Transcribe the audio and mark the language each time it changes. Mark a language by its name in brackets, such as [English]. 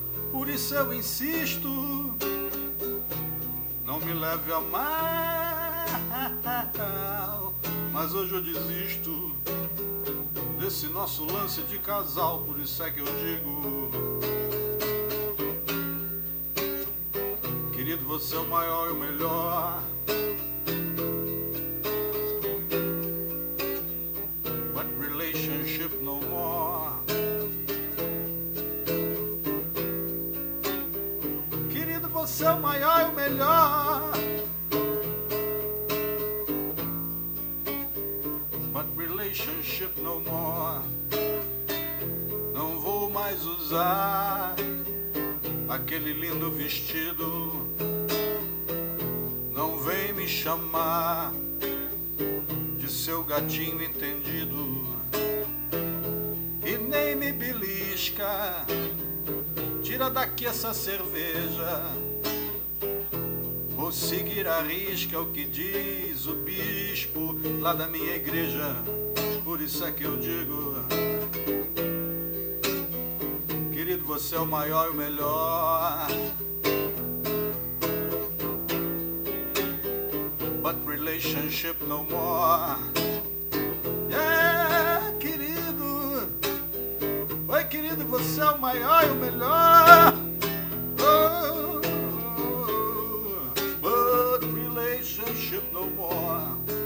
[Portuguese] Por isso eu insisto, não me leve a mal. Mas hoje eu desisto desse nosso lance de casal. Por isso é que eu digo, querido, você é o maior e o melhor. [English] But relationship no more. [Portuguese] Querido, você é o maior e o melhor. [English] But relationship no more. [Portuguese] Não vou mais usar aquele lindo vestido. Não vem me chamar de seu gatinho entendido. E nem me belisca, tira daqui essa cerveja. Vou seguir a risca o que diz o bispo lá da minha igreja. Por isso é que eu digo, querido, você é o maior e o melhor. [English] But relationship no more. [Portuguese] Yeah, querido. Oi, querido, você é o maior e o melhor. [English] Oh, but relationship no more.